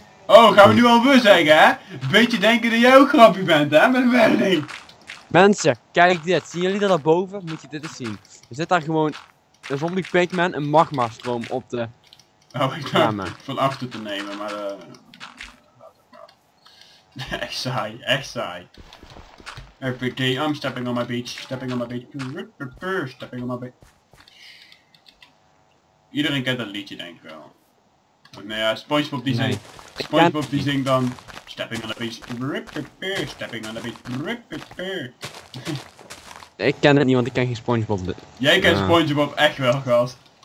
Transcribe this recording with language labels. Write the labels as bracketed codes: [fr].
[nl] Oh, gaan we nu al weer zeggen, hè? Beetje denken dat jij ook grappig bent, hè? Met Werling. Mensen, kijk dit. Zien jullie dat boven? Moet je dit eens zien. Er zit daar gewoon een zombie Pigman een magma stroom op de... Oh, ik dacht van achter te nemen, maar... Echt saai, echt saai. [en] Every day I'm stepping on my beach, stepping on my beach, stepping on my beach. [nl] Iedereen kent dat liedje, denk ik wel. Nou ja, SpongeBob die zingt... Nee. SpongeBob die zingt dan... [en] Stepping on the beach, ripperpeer, stepping on the beach, ripperpeer. [nl] Ik ken het niet, want ik ken geen SpongeBob. Jij kent SpongeBob echt wel, gast.